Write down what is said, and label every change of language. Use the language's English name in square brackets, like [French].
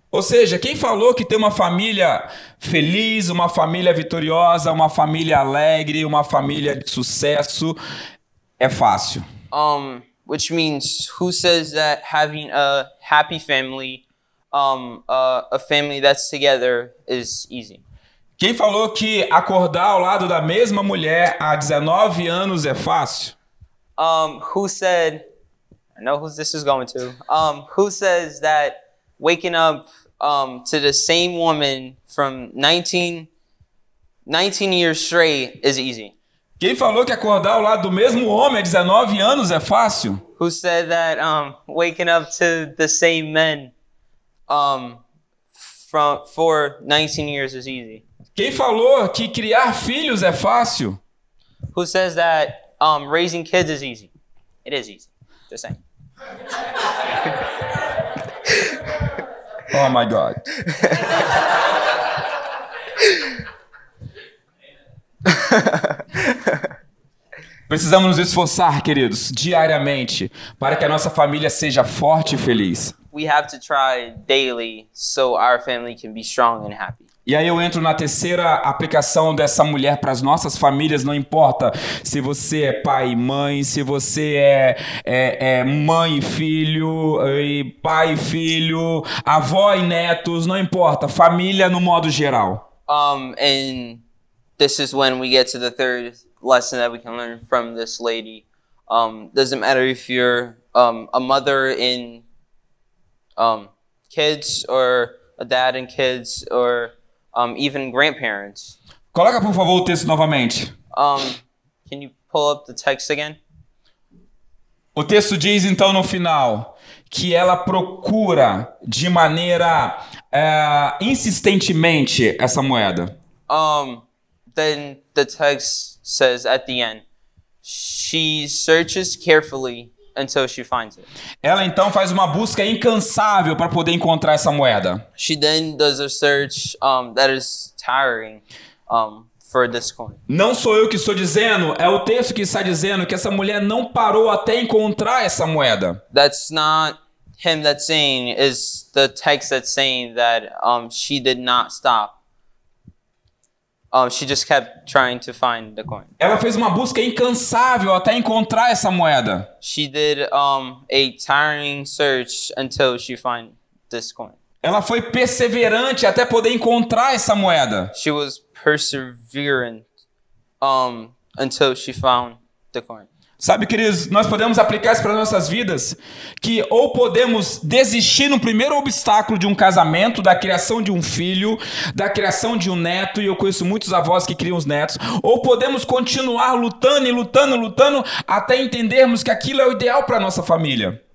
[Portuguese] Ou seja, quem falou que tem uma família feliz, uma família vitoriosa, uma família alegre, uma família de sucesso, é fácil. [English] Which means, who says that having a happy family, a family that's together, is easy? [Portuguese] Quem falou que acordar ao lado da mesma mulher há 19 anos é fácil? [English] Who said... No, who this is going to? Who says that waking up to the same woman from 19 years straight is easy? [Portuguese] Quem falou que acordar ao lado do mesmo homem há 19 anos é fácil? [English] Who said that waking up to the same men for 19 years is easy? [Portuguese] Quem falou que criar filhos é fácil? [English] Who says that raising kids is easy? It is easy. Just saying. Oh my God. [Portuguese] Precisamos nos esforçar, queridos, diariamente, para que a nossa família seja forte e feliz. [English] We have to try daily so our family can be strong and happy. [Portuguese] E aí eu entro na terceira aplicação dessa mulher para as nossas famílias, não importa se você é pai e mãe, se você é mãe e filho, e pai e filho, avó e netos, não importa, família no modo geral. [English] And this is when we get to the third lesson that we can learn from this lady. Doesn't matter if you're a mother in kids or a dad and kids or even grandparents. [Portuguese] Coloca, por favor, o texto novamente. [English] Can you pull up the text again? [Portuguese] O texto diz, então, no final, que ela procura de maneira insistentemente essa moeda. [English] Then the text says at the end, she searches carefully until she finds it. [Portuguese] Ela então faz uma busca incansável para poder encontrar essa moeda. [English] She then does a search that is tiring for this coin. [Portuguese] Não sou eu que estou dizendo, é o texto que está dizendo que essa mulher não parou até encontrar essa moeda. [English] That's not him that's saying, is the text that's saying that she did not stop. She just kept trying to find the coin. [Portuguese] Ela fez uma busca incansável até encontrar essa moeda. [English] She did a tiring search until she found this coin. [Portuguese] Ela foi perseverante até poder encontrar essa moeda. [English] She was perseverant until she found the coin. [Portuguese] Sabe, queridos, nós podemos aplicar isso para nossas vidas, que ou podemos desistir no primeiro obstáculo de um casamento, da criação de um filho, da criação de um neto, e eu conheço muitos avós que criam os netos, ou podemos continuar lutando e lutando, lutando, até entendermos que aquilo é o ideal para a nossa família.